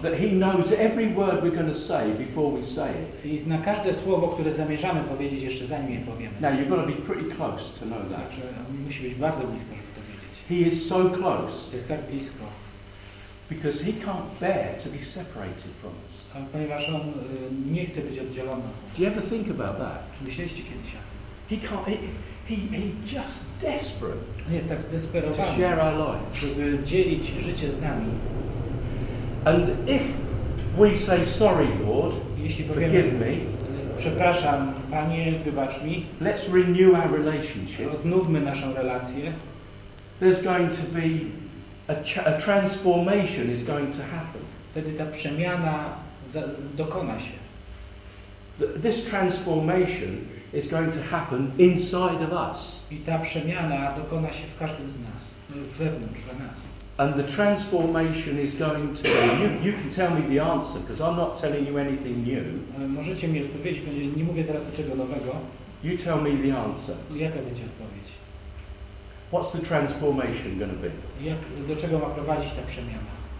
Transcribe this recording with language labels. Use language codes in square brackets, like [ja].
[en] That he knows every word we're going to say before we say it. [pl] I zna każde słowo, które zamierzamy powiedzieć jeszcze zanim je powiemy. [en] Now you've got to be pretty close to know that. [pl] Znaczy, musi być bardzo blisko, żeby to wiedzieć. [en] He is so close. [pl] Jest tak blisko. [en] Because he can't bear to be separated from us. [pl] Ponieważ on nie chce być oddzielony od nas. [en] Do you ever think about that? [pl] Czy myśleliście kiedyś o tym? [en] He can't. He just desperate. [pl] On jest tak zdesperowany. [en] To share our life. [pl] Żeby dzielić życie z nami. [en] And if we say sorry, Lord, [pl] jeśli [en] forgive [pl] powiemy, [en] me. [pl] Przepraszam, Panie, wybacz mi. [en] Let's renew our relationship. [pl] Odnówmy naszą relację. [en] There's going to be a transformation is going to happen. [pl] Wtedy ta przemiana dokona się. [en] This transformation is going to happen inside of us. [pl] I ta przemiana dokona się w każdym z nas, wewnątrz nas. [en] And the transformation is going to be, you can tell me the answer because I'm not telling you anything new. [pl] Możecie mi odpowiedzieć, bo nie mówię teraz niczego nowego. [en] You tell me the answer. [pl] Jaka będzie odpowiedź? [en] What's the transformation going to be? [pl] Jak, do czego ma prowadzić ta przemiana?